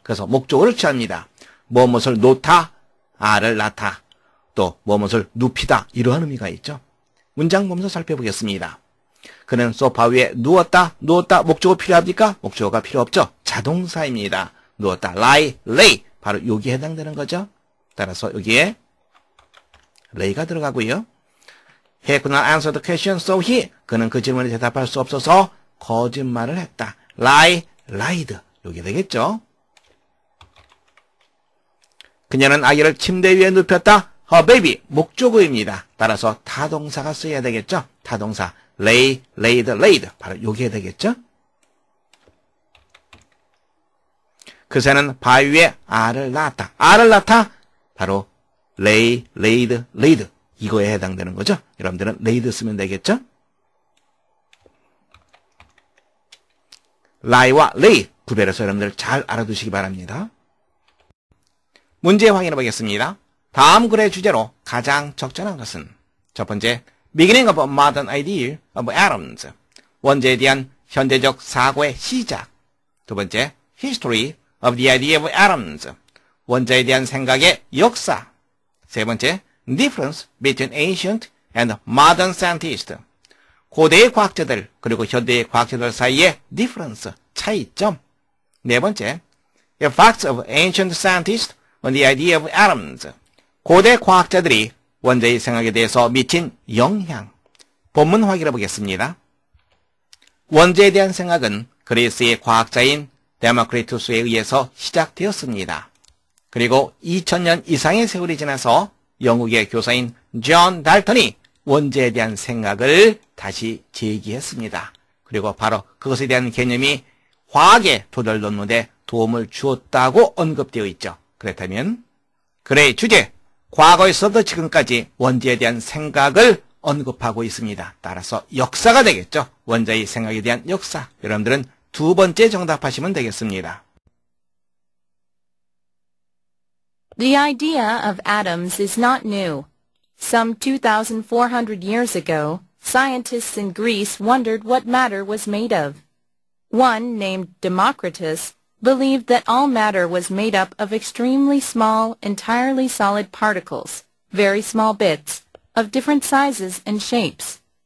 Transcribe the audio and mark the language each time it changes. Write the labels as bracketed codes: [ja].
[ko] 그래서 목적어를 취합니다. 무엇을 놓다, 알을 낳다, 또 무엇을 눕히다, 이러한 의미가 있죠. 문장 보면서 살펴보겠습니다. 그는 소파 위에 누웠다, 누웠다, 목적어 필요합니까? 목적어가 필요 없죠. 자동사입니다. 누웠다, lie, lay, 바로 여기에 해당되는 거죠. 따라서 여기에 레이가 들어가고요. [en] He could not answer the question, so he. [ko] 그는 그 질문에 대답할 수 없어서 거짓말을 했다. [en] Lie, lied. [ko] 이게 되겠죠. 그녀는 아기를 침대 위에 눕혔다. [en] Her baby, [ko] 목적어입니다. 따라서 타동사가 쓰여야 되겠죠. 타동사, lay, laid, laid. 바로 이게 되겠죠. 그 새는 바위 위에 알을 낳았다. 알을 낳다, 바로 lay, laid, laid. 이거에 해당되는 거죠. 여러분들은 laid 쓰면 되겠죠. lie와 lay 구별해서 여러분들 잘 알아두시기 바랍니다. 문제 확인해 보겠습니다. 다음 글의 주제로 가장 적절한 것은 첫 번째, [en] beginning of a modern ideal of atoms. [ko] 원자에 대한 현대적 사고의 시작. 두 번째, [en] history of the idea of atoms. [ko] 원자에 대한 생각의 역사. 세 번째, [en] difference between ancient and modern scientists. [ko] 고대의 과학자들 그리고 현대의 과학자들 사이의 difference, 차이점. 네 번째, [en] effects of ancient scientists on the idea of atoms. [ko] 고대 과학자들이 원자의 생각에 대해서 미친 영향. 본문 확인해 보겠습니다. 원자에 대한 생각은 그리스의 과학자인 데모크리투스에 의해서 시작되었습니다. 그리고 2000년 이상의 세월이 지나서 영국의 교사인 존 달턴이 원자에 대한 생각을 다시 제기했습니다. 그리고 바로 그것에 대한 개념이 화학의 토대를 놓는데 도움을 주었다고 언급되어 있죠. 그렇다면 글의 주제, 과거에서도 지금까지 원자에 대한 생각을 언급하고 있습니다. 따라서 역사가 되겠죠. 원자의 생각에 대한 역사, 여러분들은 두 번째 정답하시면 되겠습니다. [en] The idea of atoms is not new. Some 2,400 years ago, scientists in Greece wondered what matter was made of. One named Democritus believed that all matter was made up of extremely small, entirely solid particles, very small bits, of different sizes and shapes.